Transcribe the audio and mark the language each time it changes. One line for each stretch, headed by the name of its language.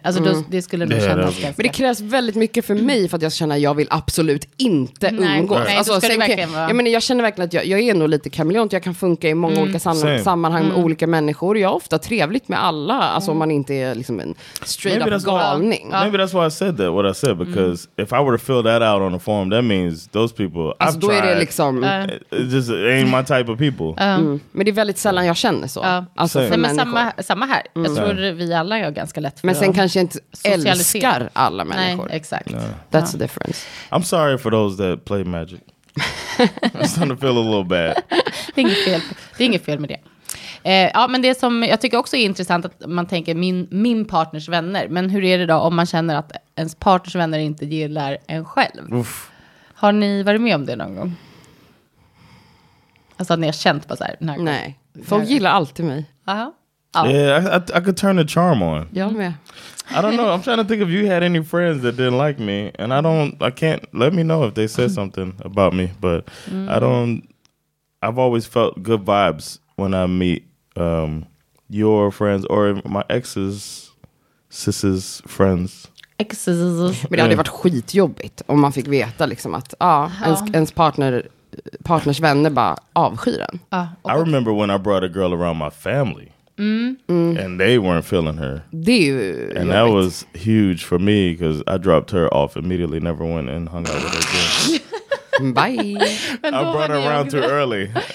Swedish: Alltså det skulle nog kännas ganska... Men det krävs väldigt mycket för mig för att jag känner att jag vill absolut inte umgås. Nej, alltså, jag menar, jag känner verkligen att jag är nog lite kameleont. Jag kan funka i många olika sammanhang med olika människor. Jag är ofta trevligt med alla, alltså om man inte är liksom en
English: straight up
Swedish: galning.
English: Maybe that's why I said that, what I said, because if I were to fill that out on a form, that means those people,
Swedish: alltså,
English: I've tried,
Swedish: är det liksom,
English: just ain't my type of people.
Swedish: Men det är väldigt sällan jag känner så. Alltså same. För samma här. Jag tror vi alla är ganska lätt för, men sen kanske jag inte älskar alla människor. Nej, exakt.
English: No. That's the difference. I'm sorry for those that play magic. I'm starting to feel a little bad.
Swedish: Det är inget fel med det. Ja, men det som jag tycker också är intressant, att man tänker min partners vänner. Men hur är det då om man känner att ens partners vänner inte gillar en själv? Uff. Har ni varit med om det någon gång? Alltså att ni har känt på så här, här. Nej, folk gillar alltid mig.
English: I could turn the charm on.
Swedish: Jag med.
English: I don't know. I'm trying to think if you had any friends that didn't like me, and I can't let me know if they said something about me, but I've always felt good vibes when I meet your friends or my exes, sis's friends.
Swedish: Men det hade varit skitjobbigt om man fick veta liksom att ens partners vänner bara avskyr en.
English: I remember when I brought a girl around my family. And they weren't feeling her. And that was huge for me, because I dropped her off immediately, never went and hung out with her again. Bye. I brought her around too early.